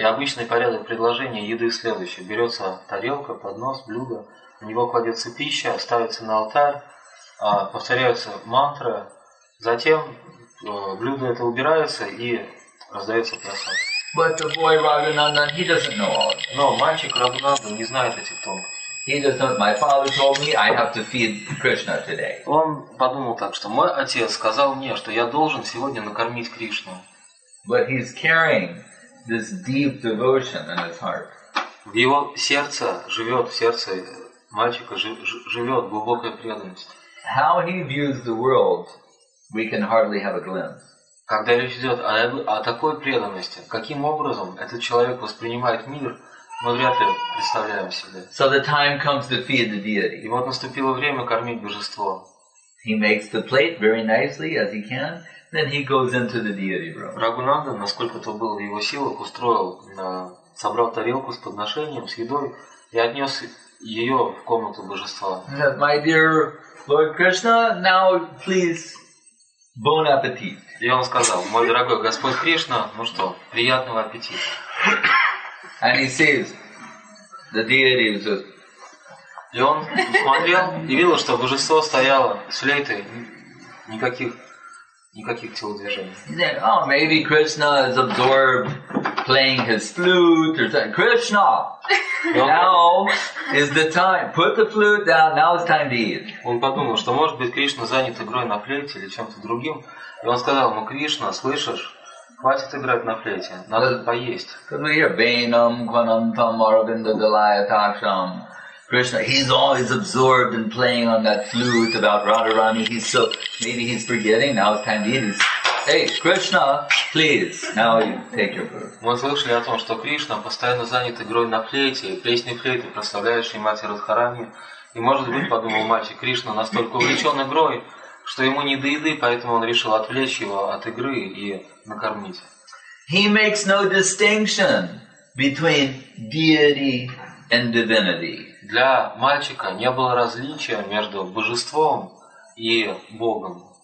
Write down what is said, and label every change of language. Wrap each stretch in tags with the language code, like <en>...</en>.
<ru>И обычный порядок предложения еды следующий. Берется тарелка, поднос, блюдо, на него кладется пища, ставится на алтарь, повторяются мантры, затем блюдо это убирается и раздается прасад.</ru> <en>But the boy Raghunandan, he doesn't know all of this.</en> <ru>Но мальчик Раганандан не знает этих тонкостей.</ru> <en>He doesn't. My father told me I have to feed Krishna today.</en> <ru>Он подумал так, что мой отец сказал мне, что я должен сегодня накормить Кришну.</ru> <en>But he's carrying this deep devotion in his heart.</en> <ru>В его сердце живет, в сердце мальчика живет глубокая преданность.</ru> <en>How he views the world, we can hardly have a glimpse.</en> <ru>Когда речь идет о такой преданности, каким образом этот человек воспринимает мир? Мы вряд ли представляем себе.</ru> <en>So the time comes to feed the deity.</en> <ru>И вот наступило время кормить божество.</ru> <en>He makes the plate very nicely as he can, then he goes into the deity room.</en> <ru>Рагунанда, насколько то было в его силах, устроил, собрал тарелку с подношением, с едой и отнес ее в комнату божества.</ru> <en>My dear Lord Krishna, now please, bon appetit.</en> <ru>И он сказал, мой дорогой Господь Кришна, ну что, приятного аппетита.</ru> <en>And he sees the deity is just.</en> <ru>И он смотрел и видел, что божество стояло с флейтой, никаких телодвижений.</ru> <en>Oh, maybe Krishna is absorbed playing his flute or something. Krishna, now is the time. Put the flute down. Now it's time to eat.</en> <ru>Он подумал, что может быть Кришна занят игрой на флейте или чем-то другим, и он сказал: "Ну, Кришна, слышишь?" Хватит играть на флейте, надо поесть.</ru> <en>Because we hear</en> <sa>Bainam, Gvanantam, Aravinda, Dalaya, Taksham.</sa> <en>Krishna, he's always absorbed in playing on that flute about Radharani. He's so, maybe he's forgetting, now it's time to eat. Hey, Krishna, please, now you take your food.</en> <ru>Мы слышали о том, что Кришна постоянно занят игрой на флейте, песней флейты, прославляющей мать Радхарани. И может быть, подумал мальчик, Кришна настолько увлечен игрой, что ему не до еды, поэтому он решил отвлечь его от игры и накормить.</ru> <en>He makes no distinction between deity and divinity.</en> <ru>Для мальчика не было различия между божеством и Богом.</ru>